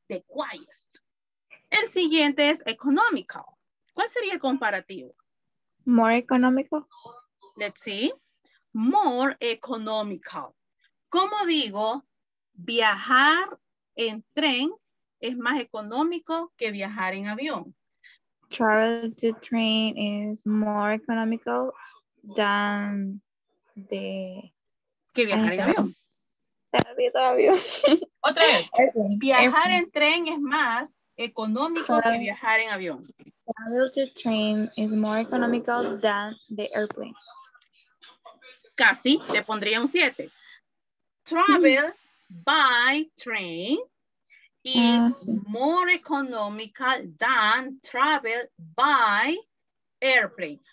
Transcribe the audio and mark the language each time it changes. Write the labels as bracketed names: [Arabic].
[English] The quietest. [Spanish] El siguiente es economical. ¿Cuál sería el comparativo? [English] More economical. Let's see. More economical. [Spanish] ¿Cómo digo viajar en tren es más económico que viajar en avión? [English] Travel to train is more economical than the... [Spanish] que viajar en avión. Otra vez. Viajar en tren es más económico que viajar en avión. [English] Travel to train is more economical than the airplane. [Spanish] Casi, le pondría un 7. [English] Travel by train is more economical than travel by airplane.